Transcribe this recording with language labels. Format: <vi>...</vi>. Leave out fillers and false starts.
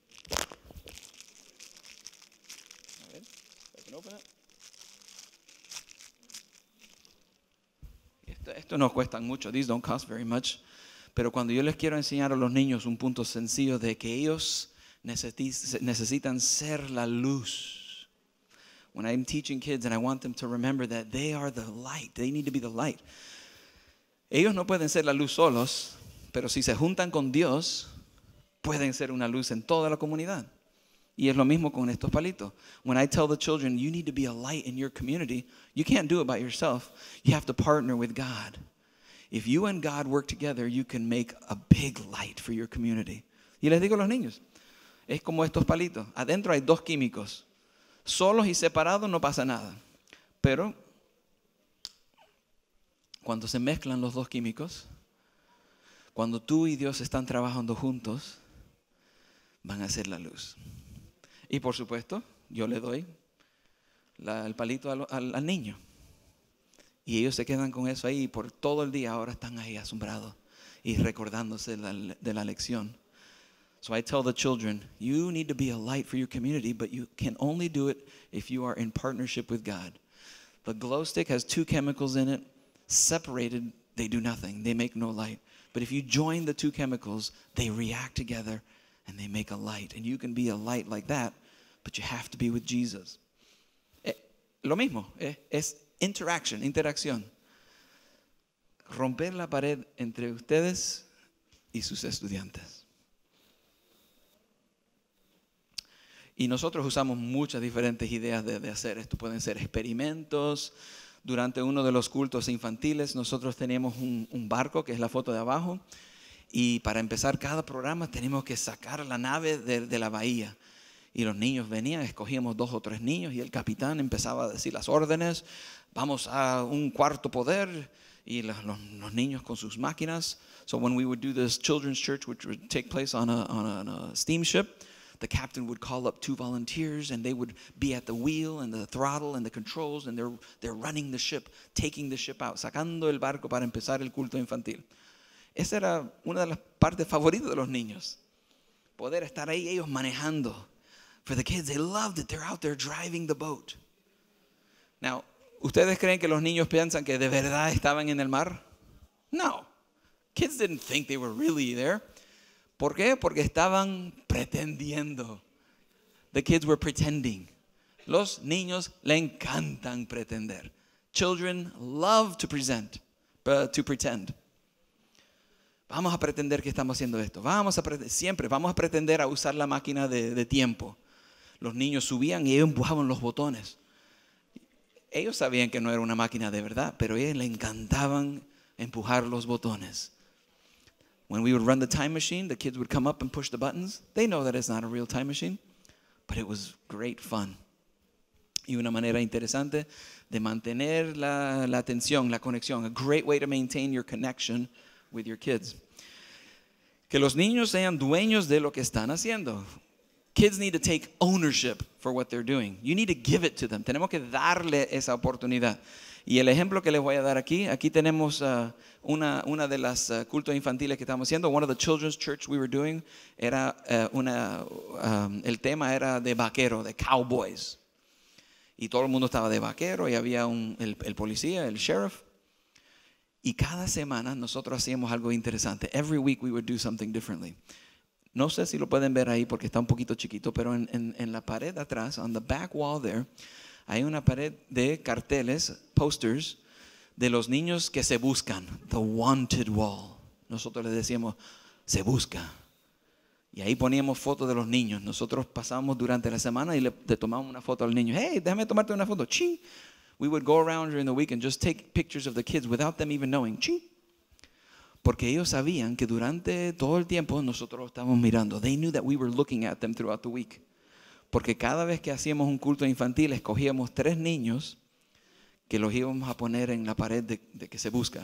<es>A ver,</es> <en>I can open it.</en> <es>Esto no cuesta mucho.</es> <en>These don't cost very much.</en> <es>Pero cuando yo les quiero enseñar a los niños un punto sencillo de que ellos necesitan ser la luz.</es> <en>When I'm teaching kids and I want them to remember that they are the light, they need to be the light.</en> <es>Ellos no pueden ser la luz solos, pero si se juntan con Dios, pueden ser una luz en toda la comunidad. Y es lo mismo con estos palitos.</es> <en>When I tell the children, you need to be a light in your community, you can't do it by yourself, you have to partner with God. If you and God work together, you can make a big light for your community.</en> <es>Y les digo a los niños, es como estos palitos. Adentro hay dos químicos. Solos y separados no pasa nada. Pero cuando se mezclan los dos químicos, cuando tú y Dios están trabajando juntos, van a ser la luz. Y por supuesto, yo le doy el palito al niño. Y ellos se quedan con eso ahí y por todo el día ahora están ahí asombrados y recordándose de la lección.</es> <en>So I tell the children, you need to be a light for your community, but you can only do it if you are in partnership with God. The glow stick has two chemicals in it. Separated, they do nothing. They make no light. But if you join the two chemicals, they react together and they make a light. And you can be a light like that, but you have to be with Jesus.</en> <es>Lo mismo, es interaction, interacción. Romper la pared entre ustedes y sus estudiantes. Y nosotros usamos muchas diferentes ideas de hacer esto. Pueden ser experimentos. Durante uno de los cultos infantiles, nosotros teníamos un barco, que es la foto de abajo. Y para empezar cada programa, tenemos que sacar la nave de la bahía. Y los niños venían, escogíamos dos o tres niños, y el capitán empezaba a decir las órdenes. Vamos a un cuarto poder, y los niños con sus máquinas.</es> <en>So when we would do this children's church, which would take place on a steamship, the captain would call up two volunteers, and they would be at the wheel and the throttle and the controls, and they're running the ship, taking the ship out,</en> <es>sacando el barco para empezar el culto infantil. Esa era una de las partes favoritas de los niños, poder estar ahí ellos manejando.</es> <en>For the kids, they loved it. They're out there driving the boat. Now,</en> <es>¿ustedes creen que los niños piensan que de verdad estaban en el mar?</es> <en>No. Kids didn't think they were really there.</en> <es>¿Por qué? Porque estaban pretendiendo.</es> <en>The kids were pretending.</en> <es>Los niños le encantan pretender.</es> <en>Children love to present, to pretend.</en> <es>Vamos a pretender que estamos haciendo esto. Vamos a siempre vamos a pretender a usar la máquina de tiempo. Los niños subían y empujaban los botones. Ellos sabían que no era una máquina de verdad, pero a ellos les encantaban empujar los botones.</es> <en>When we would run the time machine, the kids would come up and push the buttons. They know that it's not a real time machine, but it was great fun.</en> <es>Y una manera interesante de mantener la atención, la conexión,</es> <en>a great way to maintain your connection with your kids.</en> <es>Que los niños sean dueños de lo que están haciendo.</es> <en>Kids need to take ownership for what they're doing. You need to give it to them.</en> <es>Tenemos que darle esa oportunidad. Y el ejemplo que les voy a dar aquí tenemos una de las cultos infantiles que estamos haciendo.</es> <en>One of the children's church we were doing</en> <es>era el tema era de vaquero, de</es> <en>cowboys.</en> <es>Y todo el mundo estaba de vaquero y había el policía, el sheriff. Y cada semana nosotros hacíamos algo interesante.</es> <en>Every week we would do something differently.</en> <es>No sé si lo pueden ver ahí porque está un poquito chiquito, pero en la pared atrás,</es> <en>on the back wall there,</en> <es>hay una pared de carteles, posters, de los niños que se buscan.</es> <en>The wanted wall.</en> <es>Nosotros les decíamos, se busca. Y ahí poníamos fotos de los niños. Nosotros pasábamos durante la semana y le tomábamos una foto al niño. Hey, déjame tomarte una foto. Ching.</es> <en>We would go around during the week and just take pictures of the kids without them even knowing. Ching.</en> <es>Porque ellos sabían que durante todo el tiempo nosotros lo estábamos mirando.</es> <en>They knew that we were looking at them throughout the week.</en> <es>Porque cada vez que hacíamos un culto infantil, escogíamos tres niños que los íbamos a poner en la pared de que se busca.</es>